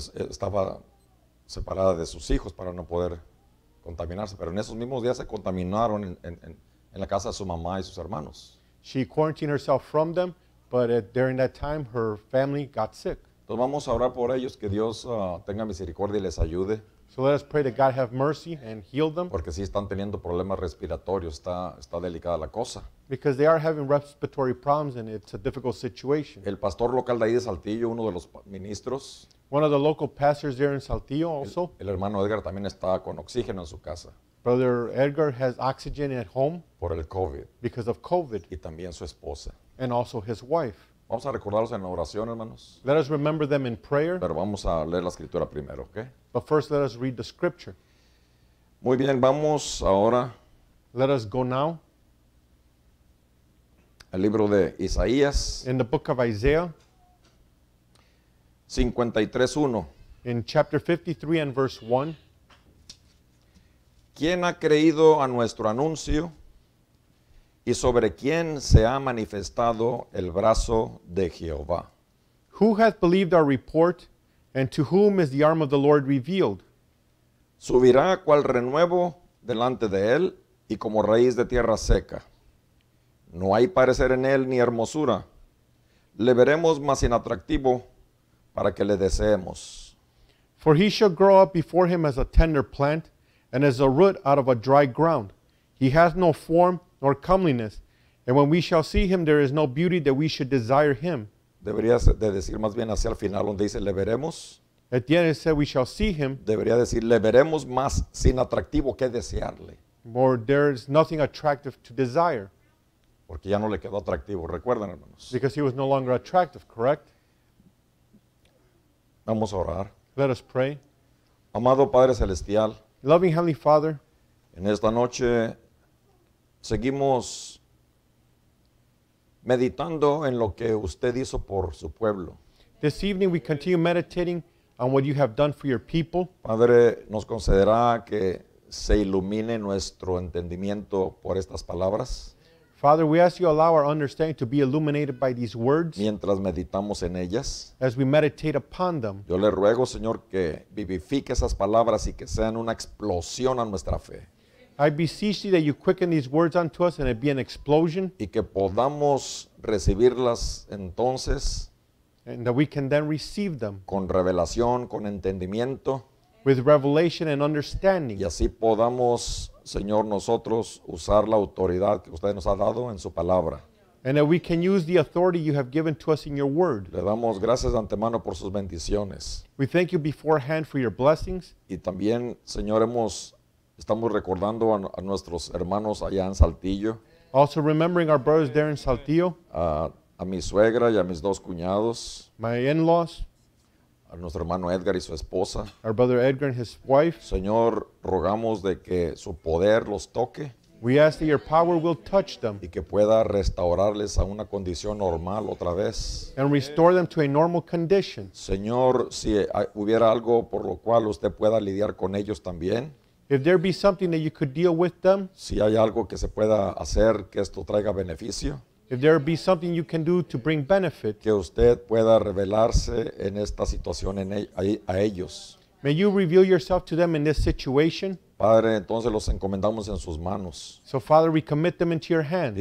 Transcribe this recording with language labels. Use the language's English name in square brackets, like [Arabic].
[Spanish] Estaba separada de sus hijos para no poder contaminarse, pero en esos mismos días se contaminaron en la casa de su mamá y sus hermanos. [English] She quarantined herself from them, but during that time her family got sick. [Spanish] Entonces vamos a orar por ellos, que Dios tenga misericordia y les ayude. [English] So let us pray that God have mercy and heal them. [Spanish] Porque sí están teniendo problemas respiratorios, está delicada la cosa. [English] Because they are having respiratory problems and it's a difficult situation. [Spanish] El pastor local de ahí de Saltillo, uno de los ministros. [English] One of the local pastors there in Saltillo also. [Spanish] El hermano Edgar también está con oxígeno en su casa. [English] Brother Edgar has oxygen at home. [Spanish] Por el COVID. [English] Because of COVID. [Spanish] Y también su esposa. [English] And also his wife. [Spanish] Vamos a recordarlos en oración, hermanos. [English] Let us remember them in prayer. [Spanish] Pero vamos a leer la escritura primero, ¿ok? [English] But first let us read the scripture. [Spanish] Muy bien, vamos ahora. [English] Let us go now. [Spanish] El libro de Isaías. [English] In the book of Isaiah. [Spanish] 53:1. [English] In chapter 53 and verse 1. [Spanish] ¿Quién ha creído a nuestro anuncio? ¿Y sobre quién se ha manifestado el brazo de Jehová? [English] Who hath believed our report, and to whom is the arm of the Lord revealed? [Spanish] Subirá cual renuevo delante de él, y como raíz de tierra seca. No hay parecer en él ni hermosura. Le veremos más inatractivo para que le deseemos. [English] For he shall grow up before him as a tender plant, and as a root out of a dry ground. He has no form nor comeliness, and when we shall see him, there is no beauty that we should desire him. [Spanish] Debería de decir más bien hacia el final donde dice le veremos. [English] At the end it said we shall see him. [Spanish] Debería decir le veremos más sin atractivo que desearle. [English] For there is nothing attractive to desire. [Spanish] Porque ya no le quedó atractivo, recuerden, hermanos. [English] Because he was no longer attractive, correct? [Spanish] Vamos a orar. [English] Let us pray. [Spanish] Amado Padre Celestial. [English] Loving Heavenly Father. [Spanish] En esta noche seguimos meditando en lo que usted hizo por su pueblo. [English] This evening we continue meditating on what you have done for your people. [Spanish] Padre, nos concederá que se ilumine nuestro entendimiento por estas palabras. [English] Father, we ask you allow our understanding to be illuminated by these words. [Spanish] Mientras meditamos en ellas. [English] As we meditate upon them. [Spanish] Yo le ruego, Señor, que vivifique esas palabras y que sean una explosión a nuestra fe. [English] I beseech thee that you quicken these words unto us and it be an explosion. [Spanish] Y que podamos recibirlas entonces. [English] And that we can then receive them. [Spanish] Con revelación, con entendimiento. [English] With revelation and understanding. [Spanish] Y así podamos, Señor, nosotros usar la autoridad que usted nos ha dado en su palabra. [English] And that we can use the authority you have given to us in your word. [Spanish] Le damos gracias de antemano por sus bendiciones. [English] We thank you beforehand for your blessings. [Spanish] Y también, Señor, estamos recordando a nuestros hermanos allá en Saltillo. [English] Also remembering our brothers there in Saltillo. [Spanish] A mi suegra y a mis dos cuñados. [English] My in-laws. [Spanish] A nuestro hermano Edgar y su esposa. [English] Our brother Edgar and his wife. [Spanish] Señor, rogamos de que su poder los toque. [English] We ask that your power will touch them. [Spanish] Y que pueda restaurarles a una condición normal otra vez. [English] And restore them to a normal condition. [Spanish] Señor, si hubiera algo por lo cual usted pueda lidiar con ellos también. [English] If there be something that you could deal with them. [Spanish] Si hay algo que se pueda hacer que esto traiga beneficio. [English] If there be something you can do to bring benefit. [Spanish] Que usted pueda revelarse en esta situación a ellos. [English] May you reveal yourself to them in this situation. [Spanish] Padre, entonces los encomendamos en sus manos. [English] So Father, we commit them into your hands.